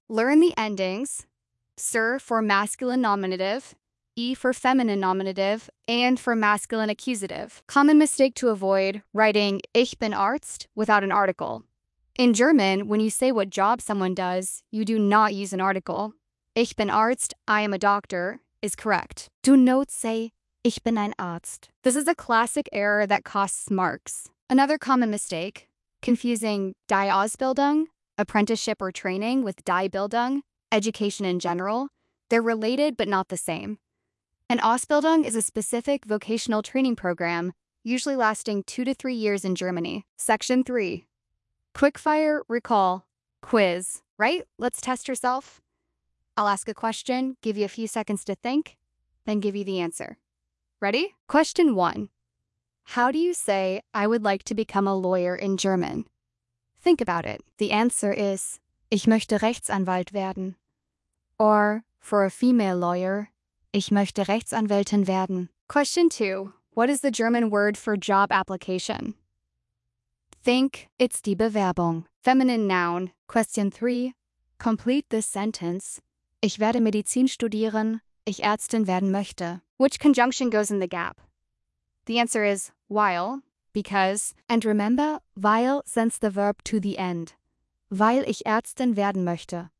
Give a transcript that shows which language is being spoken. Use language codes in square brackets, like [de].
[en] Learn the endings, sir for masculine nominative, E for feminine nominative, and for masculine accusative. Common mistake to avoid, writing [de] ich bin Arzt [en] without an article. In German, when you say what job someone does, you do not use an article. [de] Ich bin Arzt, [en] I am a doctor, is correct. Do not say [de] ich bin ein Arzt. [en] This is a classic error that costs marks. Another common mistake, confusing die Ausbildung, apprenticeship or training, with die Bildung, education in general. They're related but not the same. An Ausbildung is a specific vocational training program, usually lasting 2 to 3 years in Germany. Section 3. Quickfire recall quiz. Right? Let's test yourself. I'll ask a question, give you a few seconds to think, then give you the answer. Ready? Question 1. How do you say, I would like to become a lawyer in German? Think about it. The answer is, [de] ich möchte Rechtsanwalt werden. [en] Or, for a female lawyer, [de] ich möchte Rechtsanwältin werden. [en] Question 2. What is the German word for job application? Think. It's die Bewerbung. Feminine noun. Question 3. Complete this sentence. [de] Ich werde Medizin studieren. Ich Ärztin werden möchte. [en] Which conjunction goes in the gap? The answer is while, because. And remember, while sends the verb to the end. [de] Weil ich Ärztin werden möchte.